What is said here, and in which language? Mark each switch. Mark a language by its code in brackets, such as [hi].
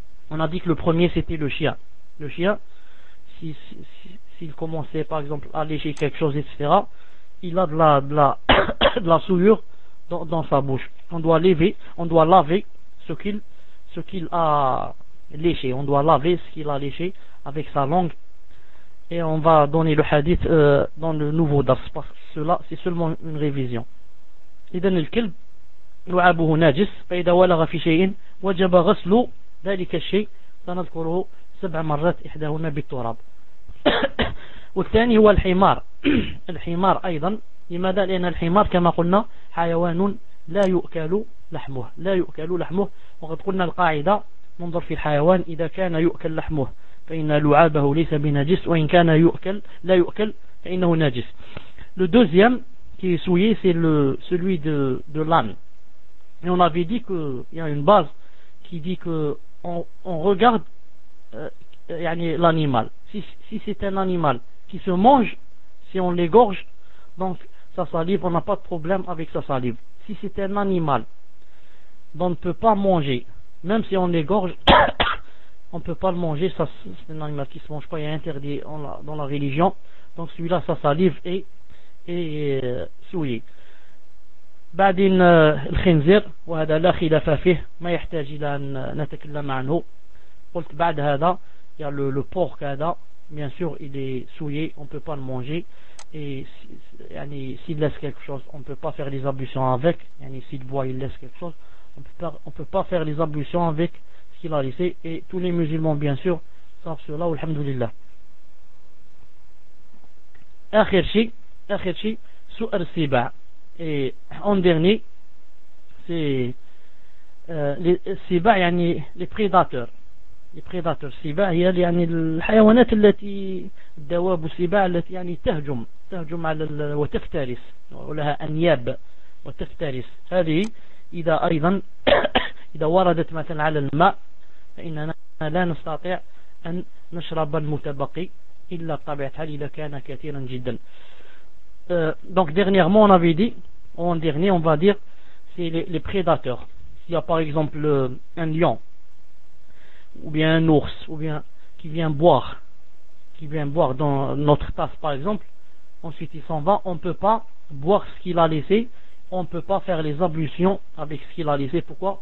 [fr] On a dit que le premier c'était le chien, s'il commençait par exemple à lécher quelque chose, etc., il a de la de la souillure dans sa bouche. On doit laver ce qu'il a léché. On doit laver ce qu'il a léché avec sa langue. Et on va donner le hadith dans le nouveau dars, parce que cela c'est seulement une révision. [ar] إذن الكلب لعابه ناجس فإذا ولغ في شيء وجب غسل ذلك الشيء سنذكره سبع مرات إحداهن بالتراب. والثاني هو الحمار. الحمار أيضا، لماذا؟ لأن الحمار كما قلنا حيوان لا يؤكل لحمه، وقد قلنا القاعدة ننظر في الحيوان إذا كان يؤكل لحمه فإن لعابه ليس بنجس، وإن كان يؤكل لا يؤكل فإنه نجس. [fr] Le deuxième qui est souillé c'est celui de l'âne. Et on avait dit qu'il y a une base qui dit qu'on regarde l'animal. Si c'est un animal qui se mange, si on l'égorge, donc sa salive, on n'a pas de problème avec sa salive. Si c'est un animal dont on ne peut pas manger, même si on l'égorge, on ne peut pas le manger, ça, c'est un animal qui ne se mange pas, il est interdit dans la religion. Donc celui-là, sa salive est souillée. [ar] بعدين الخنزير وهذا لا خلاف فيه ما يحتاج إلى أن نتكلم عنه. قلت بعد هذا يا [fr] le porc هذا bien sûr il est souillé, on ne peut pas le manger. Et s'il laisse quelque chose, on ne peut pas faire les ablutions avec. S'il boit, il laisse quelque chose, on ne peut pas faire les ablutions avec ce qu'il a laissé. Et tous les musulmans, bien sûr, savent cela. Alhamdulillah. Et en dernier, c'est les prédateurs. [ar] بريداتور سيبا هي يعني الحيوانات التي الدواب سيبا التي يعني تهجم على وتفترس ولها أنياب وتفترس. هذه إذا أيضا إذا وردت مثلا على الماء فإننا لا نستطيع أن نشرب المتبقي إلا بطبيعة الحال إذا كان كثيرا جدا. [fr] Donc dernièrement on avait dit, en dernier on va dire, c'est les prédateurs. S'il y a par exemple un lion, ou bien un ours, ou bien qui vient boire dans notre tasse par exemple, ensuite il s'en va, on ne peut pas boire ce qu'il a laissé, on ne peut pas faire les ablutions avec ce qu'il a laissé. Pourquoi ?